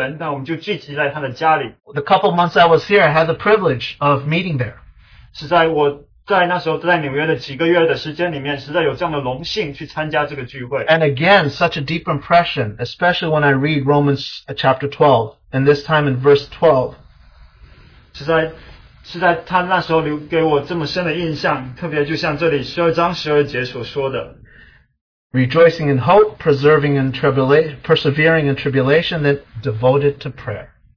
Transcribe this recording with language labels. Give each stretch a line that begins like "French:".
Chinese: 我们可能不到20个人，但我们就聚集在他的家里。
English: The couple months I was here, I had the privilege of meeting there.
Chinese: 实在我在那时候在纽约的几个月的时间里面，实在有这样的荣幸去参加这个聚会。
English: And again, such a deep impression, especially when I read Romans chapter 12, and this time in verse 12.
Chinese: 实在他那时候留给我这么深的印象，特别就像这里12章12节所说的。
English: Rejoicing in hope, persevering in tribulation, then devoted to prayer.